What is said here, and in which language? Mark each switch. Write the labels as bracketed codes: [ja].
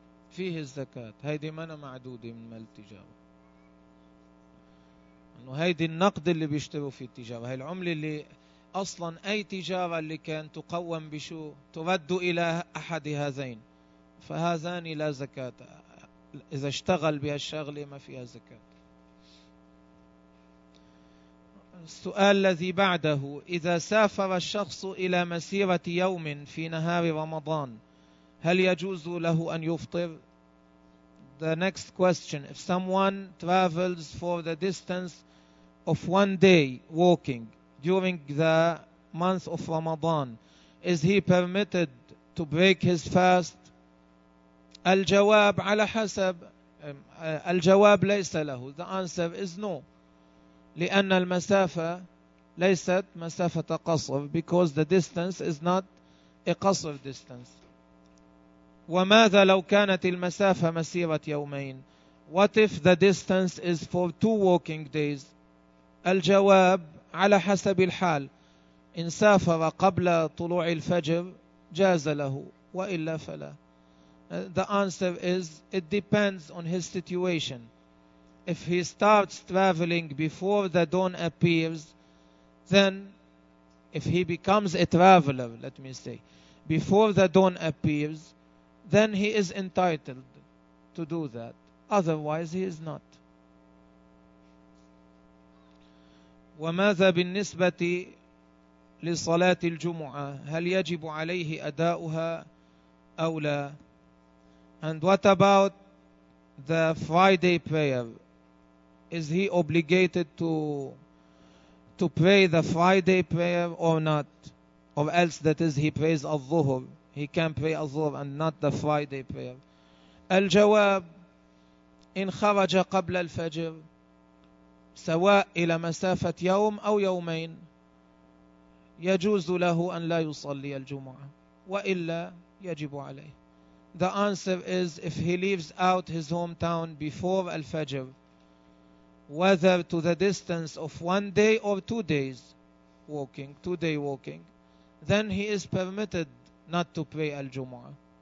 [ar] فيه الزكاة، هيدي منا معدودة من مال التجارة، إنه هيدي النقد اللي بيشتروا في التجارة، هاي العملة اللي أصلاً أي تجارة اللي كان تقوم بشو ترد إلى أحد هذين، فهذان لا زكاة، إذا اشتغل بهالشغلة ما فيها زكاة. السؤال الذي بعده، إذا سافر الشخص إلى مسيرة يوم في نهار رمضان، هل يجوز له أن يفطر؟ [en] The next question, if someone travels for the distance of one day walking during the month of Ramadan, is he permitted to break his fast? [ar] الجواب على حسب، الجواب ليس له. [en] The answer is no. [ar] لأن المسافة ليست مسافة قصر، [en] because the distance is not a قصر distance. [ar] وماذا لو كانت المسافة مسيرة يومين؟ [en] What if the distance is for two walking days؟ [ar] الجواب على حسب الحال، إن سافر قبل طلوع الفجر جاز له، وإلا فلا. [en] The answer is, it depends on his situation. If he starts traveling before the dawn appears, then if he becomes a traveler, let me say, before the dawn appears, then he is entitled to do that. Otherwise, he is not. [ar] وماذا بالنسبة لصلاة الجمعة؟ هل يجب عليه أداؤها أو لا؟ [en] And what about the Friday prayer? Is he obligated to pray the Friday prayer or not? Or else, that is, he prays al-Dhuhr. He can pray al-Dhuhr and not the Friday prayer. [ar] الجواب إن خرج قبل الفجر سواء إلى مسافة يوم أو يومين يجوز له أن لا يصلي الجمعة وإلا يجب عليه. [en] The answer is if he leaves out his hometown before al-Fajr, whether to the distance of one day or 2 days walking, 2 day walking, then he is permitted not to pray al-Jumu'ah.